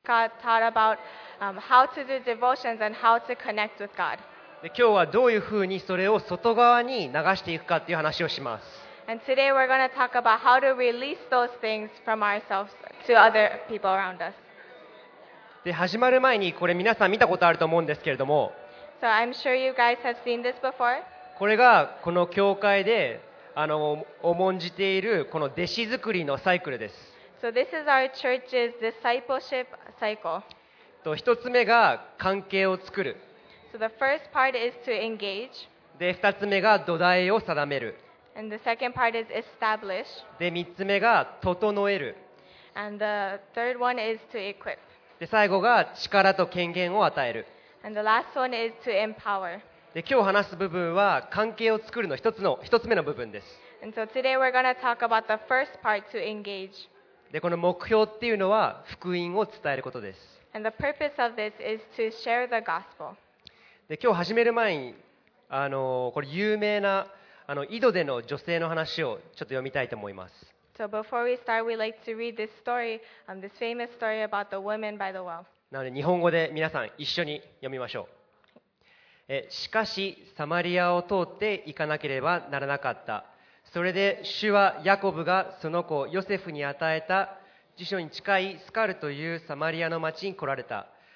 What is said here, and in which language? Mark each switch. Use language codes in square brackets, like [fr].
[en] God taught about how to do devotions and how to connect with God. [ja] 今日はどういうふうにそれを外側に流していくかっていう話をします。 [en] And today we're going to talk about how to release those things from ourselves to other people around us. [ja] で、始まる前にこれ皆さん見たことあると思うんですけれども。 [en] So I'm sure you guys have seen this before. [ja] これがこの教会で重んじているこの弟子作りのサイクルです。 [en] So this is our church's discipleship cycle. [ja] 一つ目が関係を作る。 [en] So the first part is to engage. [ja] で、二つ目が土台を定める。 [en] And the second part is establish. [ja] で、三つ目が整える。 [en] And the third one is to equip. [ja] で、最後が力と権限を与える。 [en] And the last one is to empower. [ja] で、今日話す部分は関係を作るの一つ目の部分です。 [en] And so today we're going to talk about the first part to engage. [ja] で、この目標っていうのは福音を伝えることです。 [en] And the purpose of this is to share the gospel. [ja] で今日始める前にこれ有名な井戸での女性の話をちょっと読みたいと思います。 [en] So before we start, we'd like to read this story, this famous story about the woman by the well. [ja] なので日本語で皆さん一緒に読みましょう。しかしサマリアを通って行かなければならなかった。それで主はヤコブがその子ヨセフに与えた辞書に近いスカルというサマリアの町に来られた。